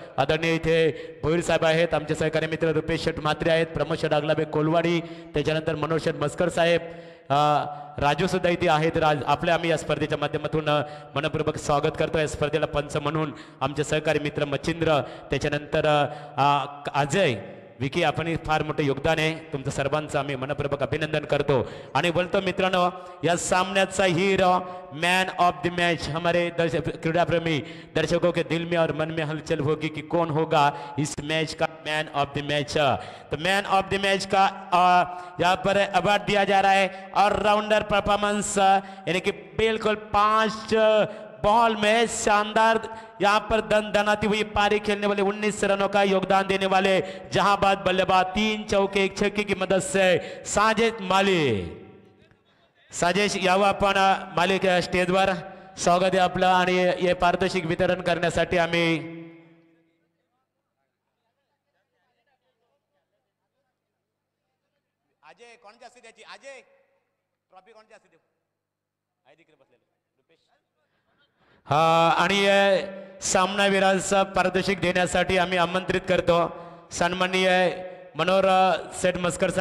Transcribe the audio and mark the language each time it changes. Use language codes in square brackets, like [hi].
[mr] आदरणीय इथे भोईर साहेब आहेत, आमचे सहकारी मित्र रुपेश शेठ म्हात्रे आहेत, प्रमोद शेठ अगलाबे कोलवाडी, त्याच्यानंतर मनोज शेठ मस्कर साहेब, राजू सुद्धा इथे आहेत. राज आपले आम्ही या स्पर्धेच्या माध्यमातून मनपूर्वक स्वागत करतो. या स्पर्धेला पंच म्हणून आमचे सहकारी मित्र मच्छिंद्र, त्याच्यानंतर अजय विकी, आपण फार मोठं योगदान आहे तुमचं सर्वांचं. आम्ही मनपूर्वक अभिनंदन करतो आणि बोलतो मित्रांनो या सामन्याचा hero man of the match [hi] हमारे क्रीडाप्रेमी दर्शकों के दिल में और मन में हलचल होगी कि कौन होगा इस मैच का मैन ऑफ द मॅच. तर मॅन ऑफ द मॅच का यहाँ पर अवार्ड दिया जा रहा है और राउंडर परफॉर्मेंस यानी कि बिल्कुल 5 बॉल में शानदार यहाँ पर दन दनाती हुई पारी खेलने वाले 19 रनों का योगदान देने वाले जहाबाद बल्लेबाज 3 चौके 1 छक्के की मदद से साजेश माली. [mr] साजेश यावा आपण मालिक स्टेजवर, स्वागत आहे आपलं आणि हे पारितोषिक वितरण करण्यासाठी आम्ही आणि सामनावीराचा पारितोषिक देण्यासाठी आम्ही आमंत्रित करतो सन्माननीय मनोहर सेठ मस्कर साहेब.